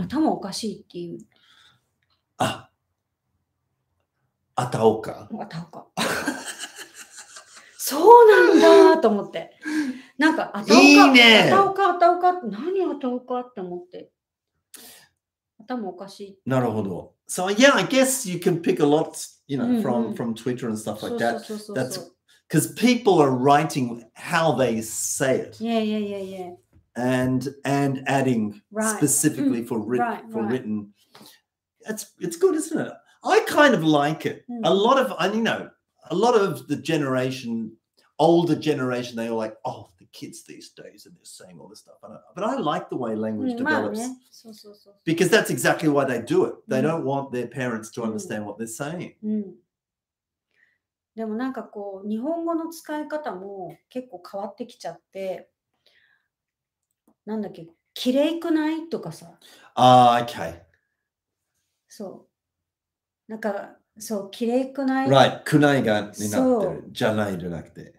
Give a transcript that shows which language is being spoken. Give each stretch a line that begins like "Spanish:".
Japanese: 頭おかしいっていう。あ、あたおか。あたおか。そうなんだと思って。なんか、あたおか、いいね、あたおか、あたおかって何あたおかって思って。頭おかしい。なるほど。
English: So yeah, I guess you can pick a lot, you know, from Twitter and stuff like that. That's because people are writing how they say it. Yeah. And adding specifically for written. It's good, isn't it? I kind of like it. Mm. A lot of the generation, older generation, they are like, oh, the kids these days and they're saying all this stuff. But I like the way language develops. Yeah. Because that's exactly why they do it. They don't want their parents to understand what they're saying.
Japanese: でもなんかこう、日本語の使い方も結構変わってきちゃって、なんだっけ、きれいくないとかさ。
English: ああ、okay.
Japanese: そう。なんか、そう、きれいくない。 Right, くないがになってる。じゃないじゃなくて。